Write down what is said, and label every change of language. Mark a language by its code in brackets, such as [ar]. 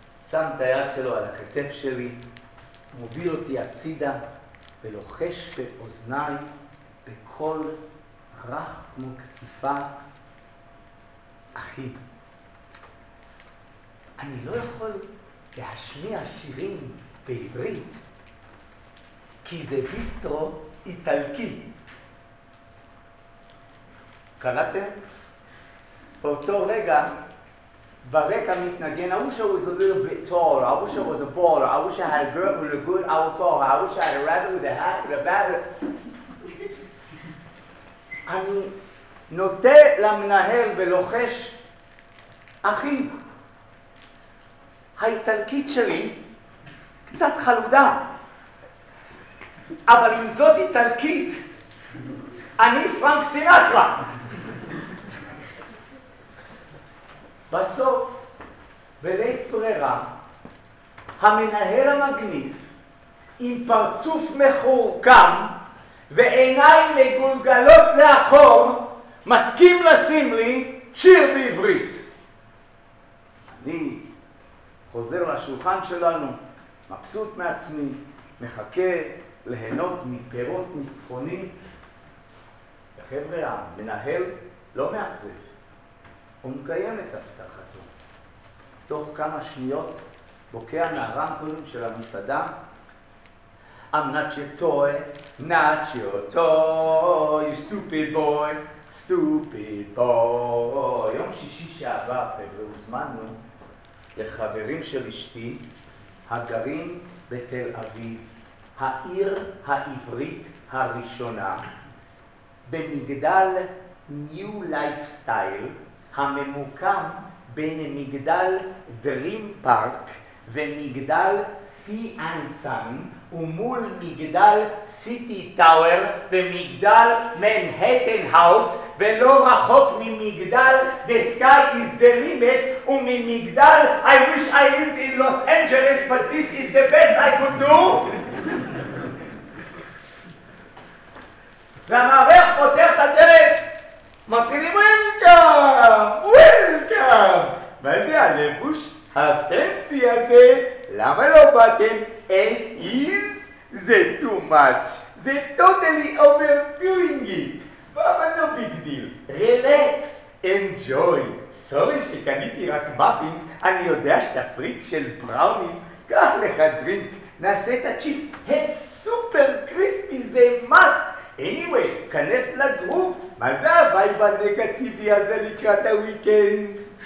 [he] שם את היד שלו על הכתף שלי, מוביל אותי הצידה, ולוחש באוזניי בקול רך כמו כתיפה, אחי, אני לא יכול להשמיע שירים בעברית, כי זה ביסטרו איטלקי. קלטתם? באותו רגע, ברקע מתנגן, [en] אושה was a little bit tall, אושה was a baller, אושה had a girl with a good alcohol, אושה had a rabbit with a hat and a batter. [he] אני נוטה למנהל ולוחש, אחי, האיטלקית שלי קצת חלודה, אבל אם זאת איטלקית, אני פרנק סינטרה. בסוף, בלית ברירה, המנהל המגניב, עם פרצוף מחורקם ועיניים מגולגלות לאחור, מסכים לשים לי שיר בעברית. אני חוזר לשולחן שלנו, מבסוט מעצמי, מחכה ליהנות מפירות ניצחוני. וחבר'ה, המנהל לא מאכזב. הוא מקיים את הבטחתו. תוך כמה שניות בוקע מהרמקולים של המסעדה. [en] I'm not your toy, not your toy, you stupid boy, stupid boy. [he] יום שישי שעבר, חבר'ה, הוזמנו לחברים של אשתי הגרים בתל אביב, העיר העברית הראשונה, במגדל New Lifestyle, הממוקם בין מגדל Dream Park ומגדל Sea and Sun, ומול מגדל סיטי טאוור ומגדל מנהטן האוס, ולא רחוק ממגדל The Sky is the Limit וממגדל I wish I lived in Los Angeles but this is the best I could do. והמערך פותר את הדלת, מצילים וולקאם, וולקאם, מה זה הלבוש הפנסי הזה? למה לא באתם? As is? זה too much. [en] זה totally overdoing it. [he] אבל לא [en] big deal. Relax. Enjoy. [he] סורי שקניתי רק מפינס, אני יודע שאתה פריק של בראוניס. קח לך דרינק, נעשה את הצ'יפס. הם סופר קריספי, זה must. Anyway, כנס לגרוב. מה זה הווייב הנגטיבי הזה לקראת הוויקנד?